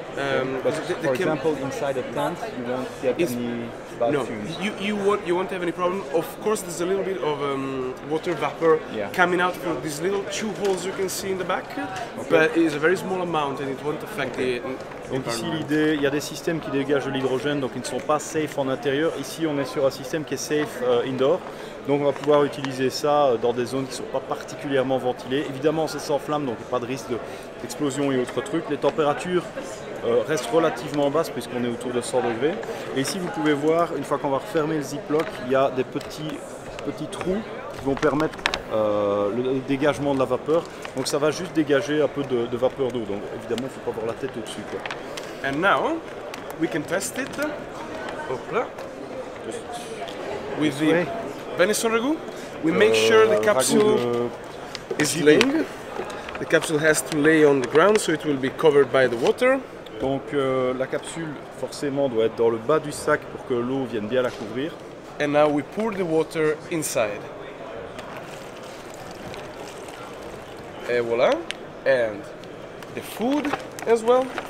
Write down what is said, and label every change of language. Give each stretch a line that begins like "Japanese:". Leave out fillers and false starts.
English: But for example, inside a tent, you won't get any bad fumes. You won't have any problem. Of course, there's a little bit of water vapor coming out through these little two holes you can see in the back, but it's a very small amount and it won't affect the
French: Donc ici l'idée, il y a des systèmes qui dégagent de l'hydrogène, donc ils ne sont pas safe en intérieur. Ici on est sur un système qui est
English: safe indoor,
French: donc on va pouvoir utiliser ça dans des zones qui ne sont pas particulièrement ventilées. Évidemment c'est sans flamme, donc il n'y a pas de risque d'explosion et autres trucs. Les températures restent relativement basses puisqu'on est autour de 100 degrés. Et ici vous pouvez voir, une fois qu'on va refermer le ziploc, il y a des petits trous qui vont permettre le dégagement de la vapeur, donc ça va juste dégager un peu de vapeur d'eau, donc évidemment il ne faut pas avoir la tête au-dessus quoi.
English: And now we can test it.
French: Hop là.
English: With the venison ragu, we make sure the capsule is laying. The capsule has to lay on the ground so it will be covered by the water.
French: Donc la capsule forcément doit être dans le bas du sac pour que l'eau vienne bien la couvrir.
English: And now we pour the water inside.
French: Et voilà,
English: and the food as well,